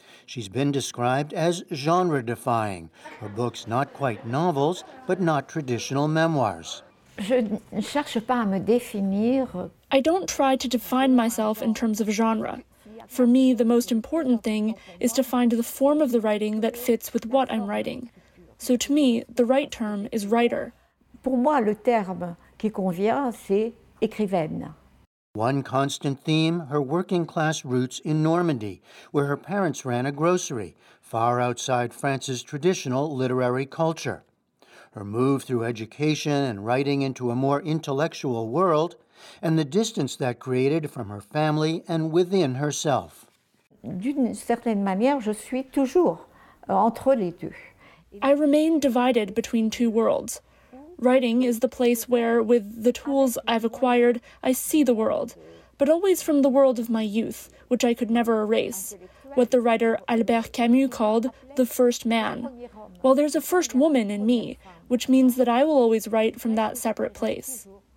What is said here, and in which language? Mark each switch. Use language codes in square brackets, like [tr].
[en] She's been described as genre-defying, her books not quite novels, but not traditional memoirs. [fr] Je ne cherche pas à me définir. [en] I don't try to define myself in terms of genre. For me, the most important thing is to find the form of the writing that fits with what I'm writing. So to me, the right term is writer. [fr] Pour moi, le terme qui convient, c'est écrivaine. [en] One constant theme, her working-class roots in Normandy, where her parents ran a grocery, far outside France's traditional literary culture. Her move through education and writing into a more intellectual world, and the distance that created from her family and within herself. [fr] D'une certaine manière, je suis toujours entre les deux. [en] I remain divided between two worlds. Writing is the place where, with the tools I've acquired, I see the world, but always from the world of my youth, which I could never erase, what the writer Albert Camus called the first man. Well, there's a first woman in me, which means that I will always write from that separate place.